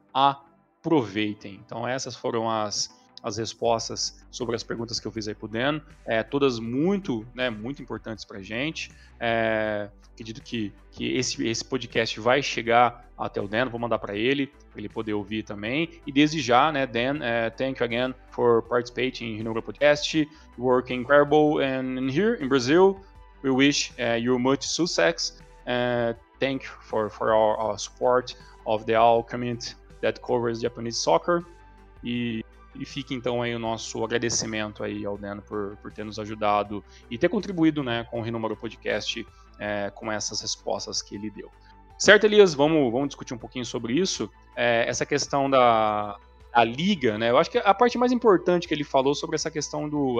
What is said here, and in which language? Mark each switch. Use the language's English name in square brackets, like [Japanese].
[Portuguese] Aproveitem. Então, essas foram as respostas sobre as perguntas que eu fiz aí pro Dan, todas muito, né, muito importantes pra gente. Acredito que esse podcast vai chegar até o Dan, vou mandar pra ele poder ouvir também. E desde já, né, [English] Dan, thank you again for participating in Hinoura Podcast, working incredible and here in Brazil. We wish you much success. Thank you for our support of the all community that covers Japanese soccer. [Portuguese] E fica então aí o nosso agradecimento aí ao Dan por ter nos ajudado e ter contribuído, né, com o Hinoura Podcast, com essas respostas que ele deu. Certo, Elias? Vamos discutir um pouquinho sobre isso. Essa questão da Liga, né? Eu acho que a parte mais importante que ele falou sobre essa questão do...